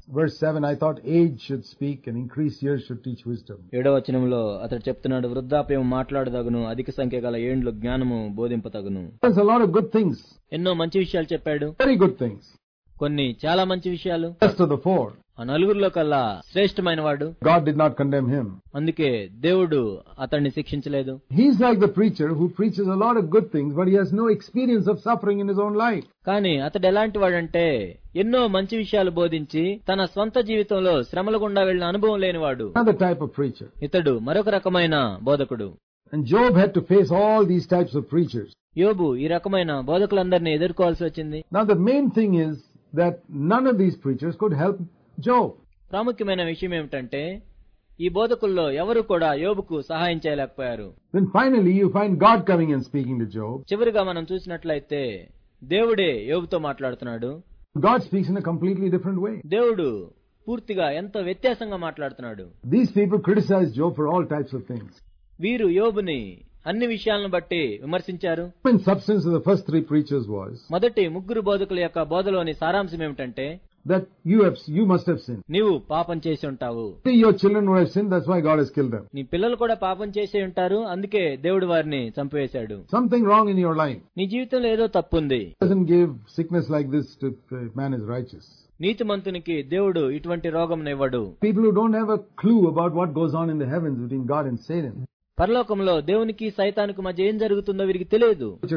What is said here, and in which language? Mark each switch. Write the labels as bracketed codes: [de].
[en] Verse 7 I thought age should speak and increased years should teach wisdom. [te] 7వ వచనములో అతడు చెప్తున్నాడు వృద్ధాప్యము మాట్లాడదగును అధిక సంఖ్య గల ఏండ్లు జ్ఞానము బోధింపదగును. [en] There's a lot of good things. [te] ఎన్నో మంచి విషయాలు చెప్పాడు. [en] Very good things. [te] కొన్ని చాలా మంచి విషయాలు. [en] First of the four. [te] ఆ నలుగురిలో కల్లా శ్రేష్ఠమైన వాడు. [en] God did not condemn him. [te] అందుకే దేవుడు అతన్ని శిక్షించలేదు. [en] He is like the preacher who preaches a lot of good things but he has no experience of suffering in his own life. [te] కానీ అతడు ఎలాంటి వాడంటే ఎన్నో మంచి విషయాలు బోధించి తన స్వంత జీవితంలో శ్రమల గుండా వెళ్లిన అనుభవం లేనివాడు. [en] Another type of preacher. [te] ఇతడు మరొక రకమైన బోధకుడు. [en] And Job had to face all these types of preachers. [te] యోబు ఈ రకమైన బోధకులందరినీ ఎదుర్కోవాల్సి వచ్చింది. [en] Now the main thing is that none of these preachers could help Job. [te] ప్రాముఖ్యమైన విషయం ఏమిటంటే ఈ బోధకుల్లో ఎవరు కూడా యోబుకు సహాయం చేయలేకపోయారు. [en] Then finally you find God coming and speaking to Job. [te] చివరిగా మనం చూసినట్లయితే దేవుడే యోబుతో మాట్లాడుతున్నాడు. [en] God speaks in a completely different way. [te] దేవుడు పూర్తిగా ఎంతో వ్యత్యాసంగా మాట్లాడుతున్నాడు. [en] These people criticize Job for all types of things. [te] వీరు యోబుని అన్ని విషయాలను బట్టి విమర్శించారు. [en] In substance of the first three preachers was. [te] మొదటి ముగ్గురు బోధకుల యొక్క బోధలోని సారాంశం ఏమిటంటే [en] that you must have sinned. [te] నీవు పాపం చేసి ఉంటావు. [en] Your children would have sinned, that's why God has killed them. [te] నీ పిల్లలు కూడా పాపం చేసి ఉంటారు అందుకే దేవుడు వారిని చంపివేశాడు. [en] Something wrong in your life. [te] నీ జీవితంలో ఏదో తప్పు ఉంది. [en] Doesn't give sickness like this to a man is righteous. [te] నీతిమంతునికి దేవుడు ఇటువంటి రోగం ఇవ్వడు. [en] People who don't have a clue about what goes on in the heavens between God and Satan. [te] పరలోకంలో దేవునికి సైతానికి మధ్య ఏం జరుగుతుందో వీరికి తెలియదు.